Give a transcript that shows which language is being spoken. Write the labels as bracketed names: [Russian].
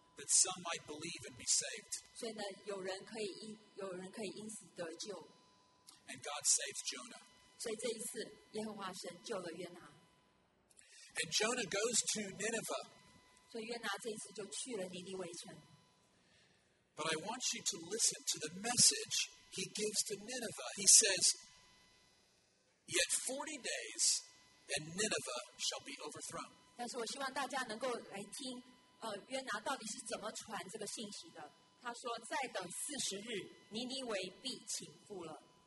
[English] That some might believe and be saved. [Chinese] 所以呢,有人可以因此得救。 [English] And God saves Jonah. [Chinese] 所以这一次,耶和华神救了约拿。 [English] And Jonah goes to Nineveh. [Chinese] 所以约拿这一次就去了尼尼微城。 [English] But I want you to listen to the message he gives to Nineveh. He says, yet 40 days and Nineveh shall be overthrown. [Chinese] 但是我希望大家能够来听,约拿到底是怎么传这个信息的。他说,再等40日,尼尼微必倾覆了。